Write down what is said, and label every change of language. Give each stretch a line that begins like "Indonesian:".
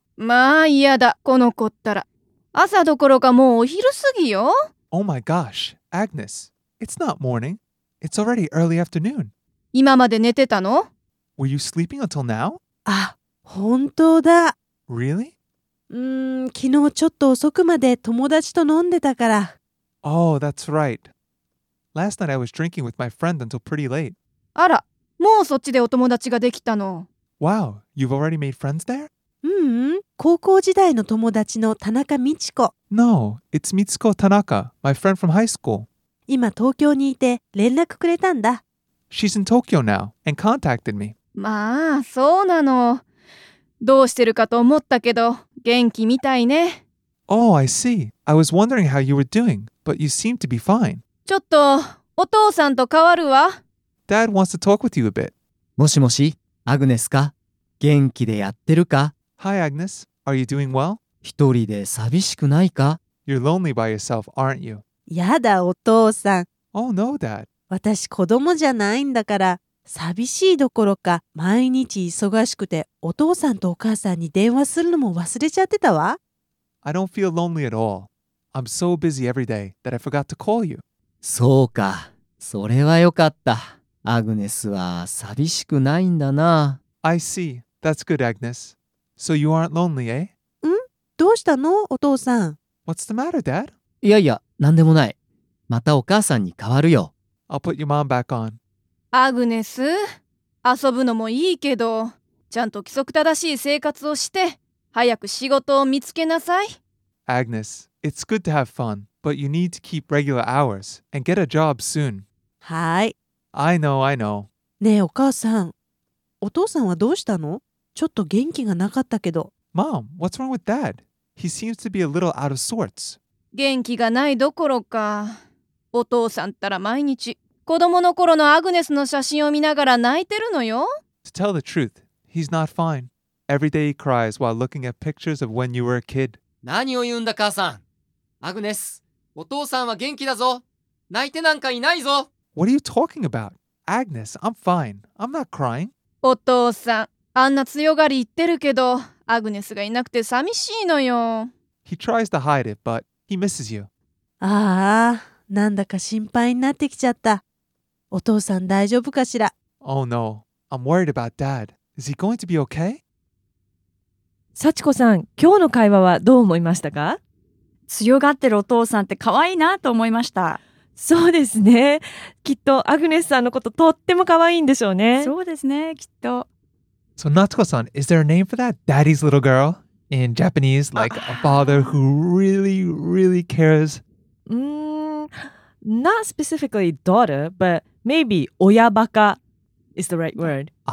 Japanese: まあ嫌だ、この子ったら。朝どころかもうお昼過ぎよ。
English: Oh my gosh, Agnes, it's not morning. It's already early afternoon.
Japanese: 今まで寝てたの？
English: Were you sleeping until now?
Japanese: あ、本当だ。
English: Really?
Japanese: 昨日ちょっと遅くまで友達と飲んでたから。
English: Oh, that's right. Last night I was drinking with my friend until pretty late.
Japanese: あら、もうそっちでお友達ができたの。
English: Wow, you've already made friends there?
Japanese: うん、高校時代の友達の田中美智子。
English: No, it's Mitsuko Tanaka, my friend from high school.
Japanese: 今東京にいて連絡くれたんだ。
English: She's in Tokyo now and contacted me.
Japanese: まあ、そうなの。どうしてるかと思ったけど、元気みたいね。
English: Oh, I see. I was wondering how you were doing, but you seem to be fine.
Japanese: ちょっと、お父さんと代わるわ。
English: Dad wants to talk with you a bit.
Japanese: もしもし、アグネスか？元気でやってるか？
English: Hi, Agnes. Are you doing well?
Japanese: 一人で寂しくないか？
English: You're lonely by yourself, aren't you?
Japanese: やだ、お父さん。
English: Oh, no, Dad.
Japanese: 私、子供じゃないんだから。寂しいどころか毎日忙しくてお父さんとお母さんに電話するのも忘れちゃってたわ。
English: I don't feel lonely at all. I'm so busy every day that I forgot to call you.
Japanese: そうか、それはよかった。アグネスは寂しくないんだな。
English: I see. That's good, Agnes. So you aren't lonely, eh?
Japanese: ん？どうしたの、お父さん？
English: What's the matter, Dad?
Japanese: いやいや、なんでもない。またお母さんに代わるよ。
English: I'll put your mom back on.
Japanese: アグネス、遊ぶのもいいけど、ちゃんと規則正しい生活をして、早く仕事を見つけなさい。
English: アグネス、it's good to have fun, but you need to keep regular hours and get a job soon.
Japanese: はい。
English: I know, I know.
Japanese: ねえお母さん、お父さんはどうしたの？ちょっと元気がなかったけど。
English: Mom, what's wrong with Dad? He seems to be a little out of sorts.
Japanese: 元気がないどころか。お父さんったら毎日、子供の頃のアグネスの写真を見ながら泣いてるのよ。
English: To tell the truth, he's not fine. Every day he cries while looking at pictures of when you were a kid.
Japanese: 何を言うんだ、母さん。アグネス、お父さんは元気だぞ。泣いてなんかいないぞ。
English: What are you talking about? Agnes, I'm fine. I'm not crying.
Japanese: お父さん、あんな強がり言ってるけど、アグネスがいなくて寂しいのよ。
English: He tries to hide it, but he misses you.
Japanese: ああ、なんだか心配になってきちゃった。お父さん大丈夫かしら。
English: Oh no, I'm worried about Dad. Is he going to be okay?
Japanese: 幸子さん、今日の会話はどう思いましたか？強がってるお父さんって可愛いなと思いました。そうですね。きっとアグネスさんのこととっても可愛いんでしょうね。そうですね、きっと。
English: So Natsuko-san, is there a name for that daddy's little girl? In Japanese, like a father who really, really cares? Not specifically daughter, but maybe 親バカ is the right word.